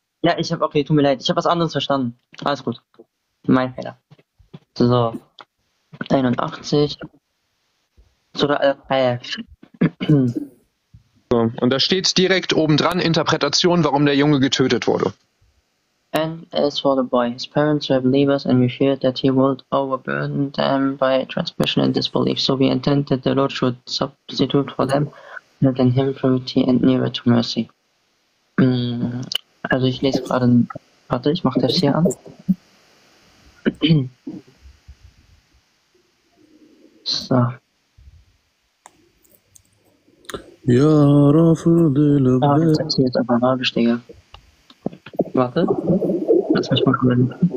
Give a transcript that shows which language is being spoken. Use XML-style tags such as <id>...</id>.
<de>Ja, ich habe, okay, tut mir leid, ich habe was anderes verstanden. Alles gut. Mein Fehler. So. 81. Sura Al-Kahf. So, und da steht direkt obendran Interpretation, warum der Junge getötet wurde.</de> <en>And as for the boy, his parents were believers and we feared that he would overburden them by transgression and disbelief. So we intended that the Lord should substitute for them and in him purity and nearer to mercy.</en> <de>Also ich lese gerade, warte, ich mache das hier an. So. Ja, Rafael de la Bé. Ah, jetzt hast du jetzt einfach Arabisch, Digga. Warte, lass mich mal kommen.</de>